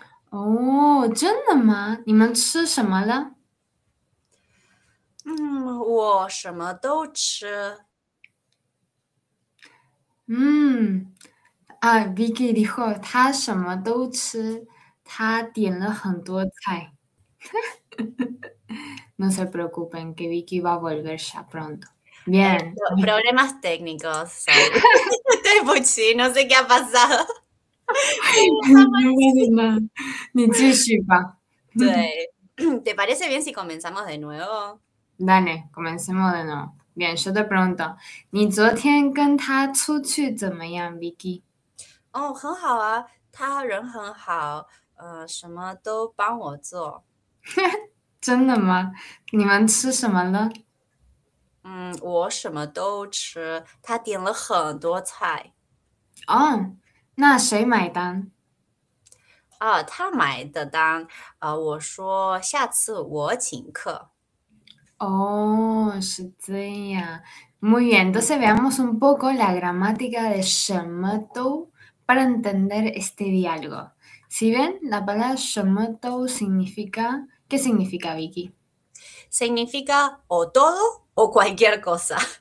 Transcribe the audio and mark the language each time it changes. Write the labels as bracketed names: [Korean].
[Chinese] 哦，真的吗？你们吃什么了？我什么都吃。 [Spanish] Vicky dijo, [Chinese] 他什么都吃。他点了很多菜 [Spanish] No se preocupen, que Vicky va a volver ya pronto. Bien. Problemas técnicos, sorry. Estoy no sé qué ha pasado. No, ni chichi pa. Sí. ¿Te parece bien si comenzamos de nuevo? Dale, comencemos de nuevo. Bien, yo te pregunto, [Chinese] ¿ni zuotian gen ta chuqu zemeyang, [Spanish] Vicky? [Chinese] Oh, 很好啊, 他人很好, 什么都帮我做。真的吗？你们吃什么了？我什么都吃，他点了很多菜。哦，那谁买单？啊，他买的单，我说下次我请客。哦，是这样。 [Spanish] Muy bien, entonces veamos un poco la gramática de Shemoto para entender este diálogo. Si ven, la palabra Shemoto significa. ¿Qué significa, Vicky? Significa o todo. O cualquier cosa.